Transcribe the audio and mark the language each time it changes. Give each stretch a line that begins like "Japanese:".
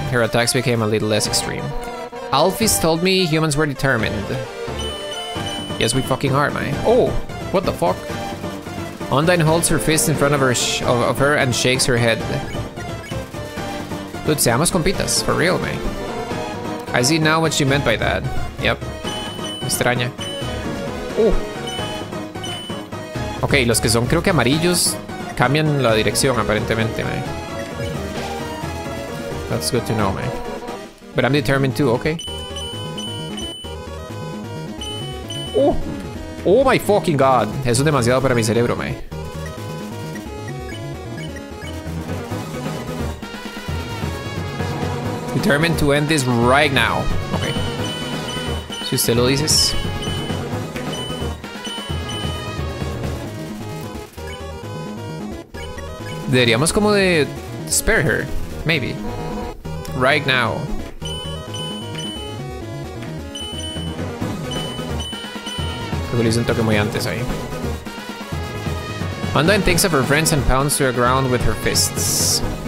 English: Her attacks became a little less extreme. Alphys told me humans were determined. Yes, we fucking are, mate. Oh! What the fuck? Undyne holds her fist in front of her her and shakes her head. Dude,
Spanish: seamos compitas.
English: For real, mate. I see now what she meant by that. Yep. Extraña. Oh!
Spanish: Okay, los que son creo que amarillos cambian la dirección, aparentemente, mate.
English: That's good to know, man. But I'm determined too, okay? Oh! Oh my fucking god!
Spanish: Eso es demasiado para mi cerebro, man.
English: Determined to end this right now. Okay.
Spanish: Si usted lo dices. Deberíamos como de...
English: Spare her. Maybe. Right now.
Spanish: Creo que le hice un toque muy antes ahí.
English: Undyne thinks of her friends and pounds to the ground with her fists.